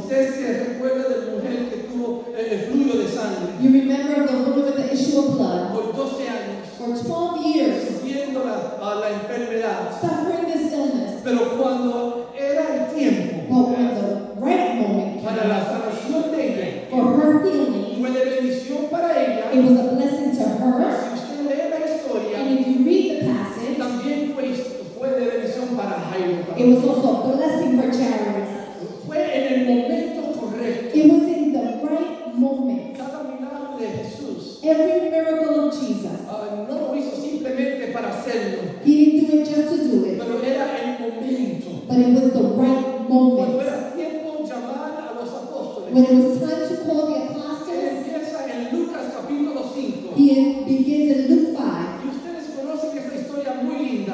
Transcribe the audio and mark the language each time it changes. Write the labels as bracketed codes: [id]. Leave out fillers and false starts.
[es] Usted se recuerda de la mujer que tuvo el flujo de sangre. [en] You remember the woman with the issue of blood. [es] Por 12 años. [en] For 12 years. [es] Sufriendo la enfermedad. [en] Suffering this illness. [es] Pero cuando era el tiempo. [en] But when the right moment. [es] Para la sanación de ella. [en] For her healing. [es] Fue de bendición para ella. [en] It was a blessing to her. [es] Si usted lee la historia. [en] And if you read the passage. [es] También fue de bendición para Jairo. [en] It was also a blessing for Jairo. [es] Fue en el momento correcto. [en] It was in the right moment. [es] Cada milagro de Jesús. [en] Every miracle of Jesus. [es] No lo hizo simplemente para hacerlo. [en] He didn't do it just to do it. [es] Pero era el momento. [en] But it was the right moment. When it was time to call the apostles, [es] en Lucas, capítulo 5. [en] He begins in Luke 5. [es] Y ustedes conocen que esta historia muy linda.